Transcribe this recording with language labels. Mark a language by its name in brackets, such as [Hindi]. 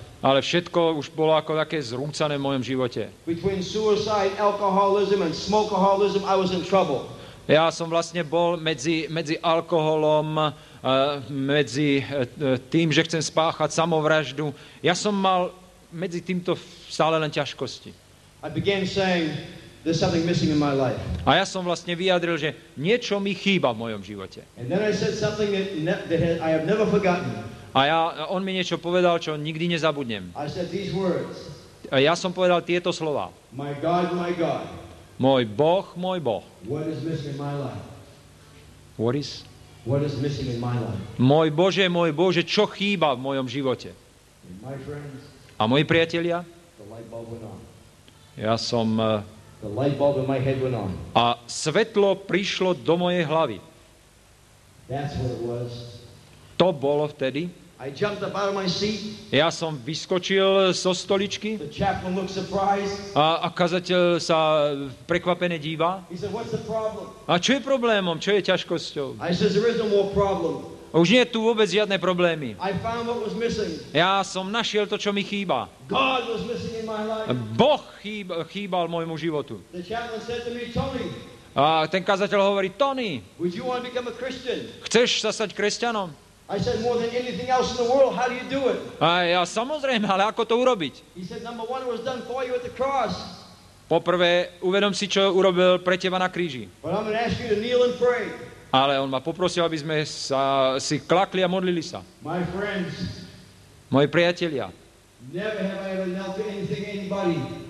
[Slovak] Ale všetko už bolo ako také zrúcané v mojom živote. [English] Between suicide, alcoholism and smokeaholism, I was in trouble. [Slovak] Ja som vlastne bol medzi alkoholom, medzi tým, že chcem spáchať samovraždu. Ja som mal medzi týmto stále len ťažkosti. [English] I began saying, there's something missing in my life. [Slovak] A ja som vlastne vyjadril, že niečo mi chýba v mojom živote. [English] And then I said something that I have never forgotten. [Slovak] On mi niečo povedal, čo nikdy nezabudnem. [English] I said these words. [Slovak] A ja som povedal tieto slova. [English] My God, my God. [Slovak] Môj Boh, môj Boh. [English] What is missing in my life? What is missing in my life? [Slovak] Môj Bože, čo chýba v mojom živote? [English] And my friends. [Slovak] A moji priatelia? [English] The light bulb went on. [Slovak] Ja som [English] The light bulb in my head went on. [Slovak] A svetlo prišlo do mojej hlavy. [English] That's what it was. [Slovak] To bolo vtedy. [English] I jumped up out of my seat. [Slovak] Ja som vyskočil zo stoličky. [English] The chaplain looked surprised. [Slovak] A kazateľ sa prekvapene díva. [English] He said, what's the problem? [Slovak] A čo je problémom? Čo je ťažkosťou? [English] I said, there is no more problem. [Slovak] Už nie je tu vôbec žiadne problémy. [English] I found what was missing. [Slovak] Ja som našiel to, čo mi chýba. [English] God was missing in my life. [Slovak] Boh chýbal môjmu životu. [English] The chaplain said to me, Tony. [Slovak] A ten kazateľ hovorí, Tony, [English] would you want to become a Christian? [Slovak] Chceš sa stať kresťanom? [English] I said, more than anything else in the world, how do you do it? [Slovak] Aj, ja, samozrejme, ale ako to urobiť? [English] He said, number one, it was done for you at the cross. [Slovak] Poprvé, uvedom si, čo urobil pre teba na kríži. [English] But I'm going to ask you to kneel and pray. [Slovak] Ale on ma poprosil, aby sme sa si klakli a modlili sa. [English] My friends. [Slovak] Moji priatelia. [English] Never have I ever knelt to anything, anybody.